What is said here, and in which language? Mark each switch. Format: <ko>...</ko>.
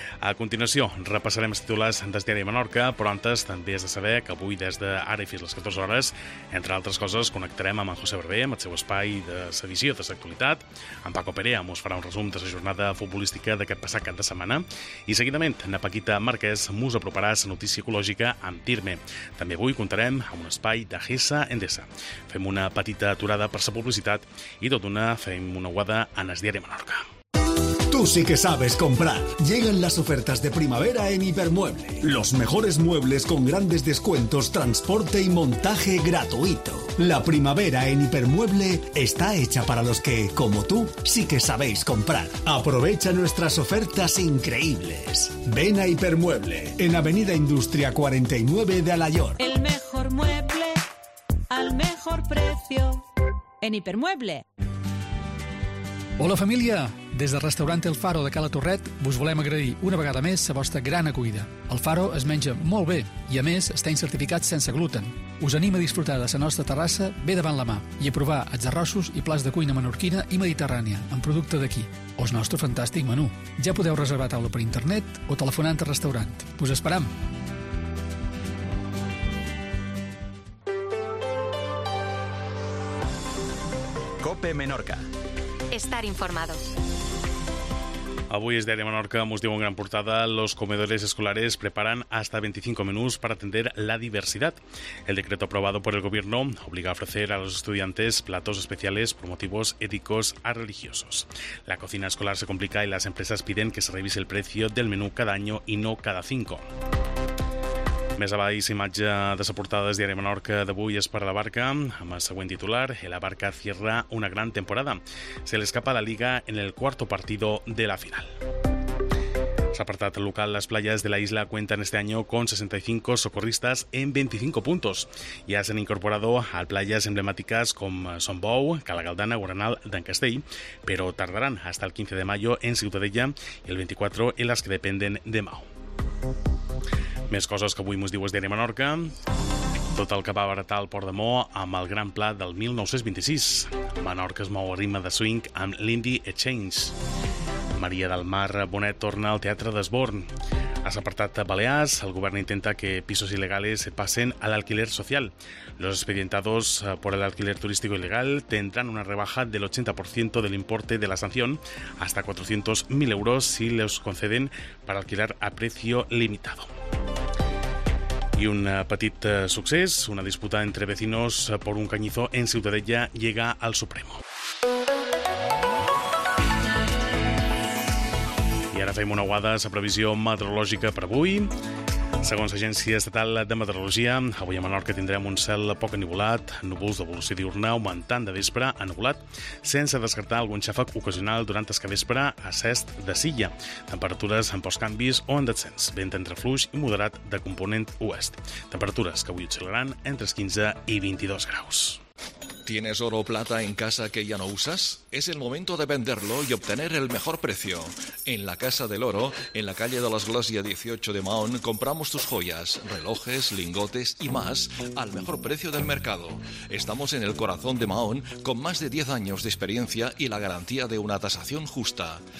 <ca>A continuació, repassarem els titulars des d'Herrera Menorca, però antes també has de saber que avui, des d'ara i fins a les 14 hores, entre altres coses, connectarem amb en José Barber, amb el seu espai de sedició de l'actualitat, amb Paco Perea, ens farà un resum de la jornada futbolística d'aquest passat cap de setmana, i seguidament, na Paquita Marquès ens aproparà la notícia ecològica amb Tirme. També avui comptarem amb un espai de Gesa Endesa. Fem una petita aturada per la publicitat i tot d'una fem una guada en el diari Menorca.</ca> <es>Tú sí que sabes comprar. Llegan las ofertas de primavera en Hipermueble. Los mejores muebles con grandes descuentos, transporte y montaje gratuito. La primavera en Hipermueble está hecha para los que, como tú, sí que sabéis comprar. Aprovecha nuestras ofertas increíbles. Ven a Hipermueble, en Avenida Industria 49 de Alayor. El mejor mueble, al mejor precio, en Hipermueble.</es> <ca>Hola, família. Des del restaurant El Faro de Cala Torret vos volem agrair una vegada més la vostra gran acollida. El Faro es menja molt bé i, a més, està incertificat sense gluten. Us anima a disfrutar de la nostra terrassa bé davant la mà i a provar els arrossos i plats de cuina menorquina i mediterrània amb producte d'aquí, o el nostre fantàstic menú. Ja podeu reservar taula per internet o telefonant al restaurant. Us esperam!</ca> <es>COPE Menorca. Estar informado.</es> <ca>Avui es Diari Menorca, mos diu en gran portada,</ca> <es>los comedores escolares preparan hasta 25 menús para atender la diversidad. El decreto aprobado por el gobierno obliga a ofrecer a los estudiantes platos especiales por motivos éticos a religiosos. La cocina escolar se complica y las empresas piden que se revise el precio del menú cada año y no cada cinco.</es> <ca>Més avall, la imatge de la portada del Diari Menorca d'avui és per a la Barca, amb el següent titular:</ca> <es>la Barca cierra una gran temporada. Se le escapa la Liga en el cuarto partido de la final. Apartat local, las playas de la isla cuentan este año con 65 socorristas en 25 puntos. Ya se han incorporado a playas emblemáticas com Son Bou, Cala Galdana, Guaranal, Dencastell,</es> <ca>però tardaran</ca> <es>hasta el 15 de mayo en Ciutadella i el 24 en las que dependen de Mau.</es> <ca>Més coses que avui mos diu el Diari Menorca. Tot el que va abaratar el Port de Mo amb el Gran Pla del 1926. Menorca es mou a ritme de swing amb l'Indie Exchange. Maria del Mar Bonet torna al Teatre d'Esborn. A l'apartat de Balears, el govern intenta que pisos il·legals se passen a l'alquiler social.</ca> <es>Los expedientados por el alquiler turístico ilegal tendrán una rebaja del 80% del importe de la sanción, hasta 400.000 euros si los conceden para alquilar a precio limitado. Y un</es> <ca>petit succés,</ca> <es>una disputa entre vecinos por un cañizo en Ciutadella llega al Supremo.</es> <ca>I ara fem una guada a la previsió meteorològica per avui. Segons l'Agència Estatal de Meteorologia, avui a Menorca tindrem un cel poc anivolat, núvols d'evolució diurna augmentant de vespre a anivolat, sense descartar algun xàfec ocasional durant el vespre a cest de Silla. Temperatures amb pocs canvis o en descens. Vent entre fluix i moderat de component oest. Temperatures que avui oscil·laran entre els 15 i 22 graus.</ca> <es>¿Tienes oro o plata en casa que ya no usas? Es el momento de venderlo y obtener el mejor precio. En la Casa del Oro, en la calle de las Glacias 18 de Mahón, compramos tus joyas, relojes, lingotes y más al mejor precio del mercado. Estamos en el corazón de Mahón con más de 10 años de experiencia y la garantía de una tasación justa.</es>